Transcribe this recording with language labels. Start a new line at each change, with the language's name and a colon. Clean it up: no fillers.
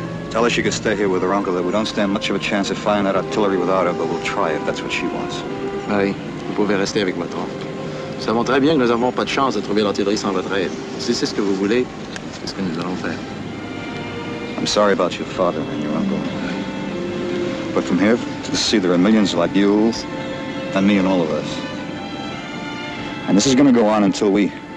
English: Tell her she could stay here with her uncle, that we don't stand much of a chance at firing that artillery without her, but we'll try if that's what she wants.
French: Marie, vous pouvez rester avec votre oncle. Nous savons très bien que nous n'avons pas de chance de trouver l'artillerie sans votre aide. Si c'est ce que vous voulez, c'est ce que nous allons faire.
English: I'm sorry about your father and your uncle. But from here to the sea, there are millions like you and me and all of us. And this is going to go on until we...